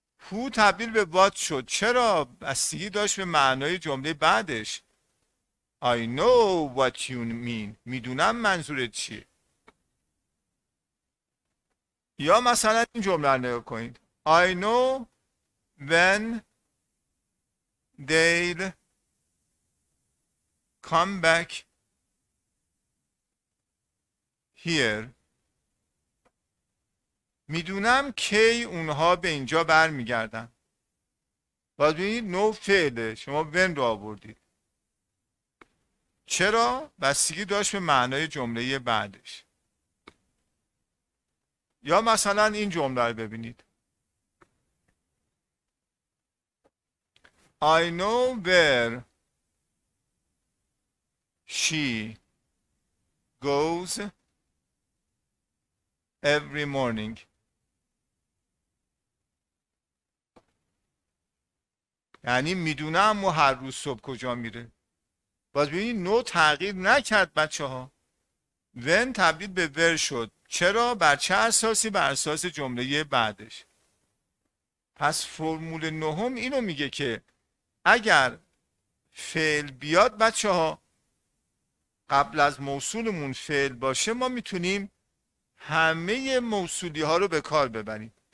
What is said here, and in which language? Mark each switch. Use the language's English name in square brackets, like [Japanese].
[Persian] Who تبدیل به what شد. چرا؟ بستگی داشت به معنای جمله بعدش. [English] I know what you mean. [Persian] میدونم منظورت چیه. یا مثلا این جمله رو نگاه کنید. [English] I know when they'll come back here. [Persian] میدونم کی اونها به اینجا بر میگردن. باز ببینید، نو فعله، شما when رو آوردید. چرا؟ بستگی داشت به معنای جمله بعدش. یا مثلا این جمله رو ببینید. [English] I know where she goes every morning. [Persian] یعنی میدونم و هر روز صبح کجا میره. باز ببینید، نو تغییر نکرد بچه ها. ون تبدیل به ور شد. چرا؟ بر چه اساسی؟ بر اساس جمله بعدش. پس فرمول نهم اینو میگه که اگر فعل بیاد بچه ها، قبل از موصولمون فعل باشه، ما میتونیم همه موصولی ها رو به کار ببریم.